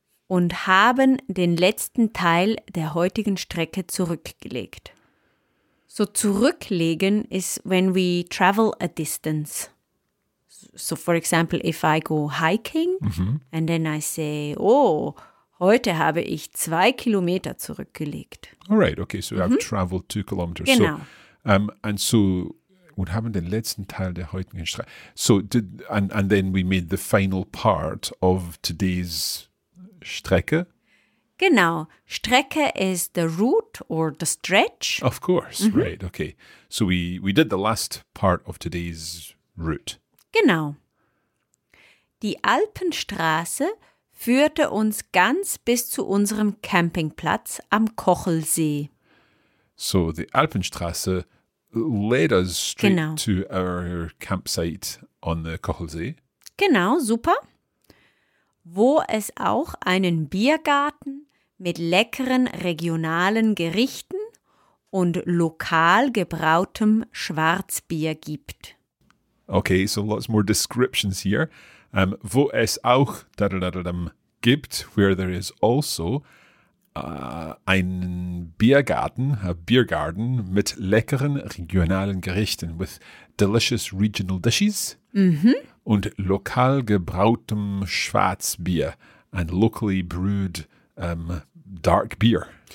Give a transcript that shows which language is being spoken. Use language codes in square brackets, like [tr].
[de] und haben den letzten Teil der heutigen Strecke zurückgelegt. [en] So zurücklegen ist when we travel a distance. So for example, if I go hiking and then I say, oh, [de] heute habe ich 2 Kilometer zurückgelegt. [en] All right, okay, so I've traveled 2 kilometers. [de] Genau. [en] So, and so would happen [de] den letzten Teil der heutigen Strecke. [en] So did, and then we made the final part of today's Strecke. [de] Genau. [en] Strecke is the route or the stretch. Of course, right, okay. So we did the last part of today's route. [de] Genau. Die Alpenstraße führte uns ganz bis zu unserem Campingplatz am Kochelsee. [en] So the Alpenstraße led us straight to our campsite on the Kochelsee. [de] Genau, super. Wo es auch einen Biergarten mit leckeren regionalen Gerichten und lokal gebrautem Schwarzbier gibt. [en] Okay, so lots more descriptions here. [de] Wo es auch gibt, [en] where there is also einen Biergarten, a beer garden, [de] mit leckeren regionalen Gerichten, [en] with delicious regional dishes, [de] und lokal gebrautem Schwarzbier, [en] and locally brewed dark beer.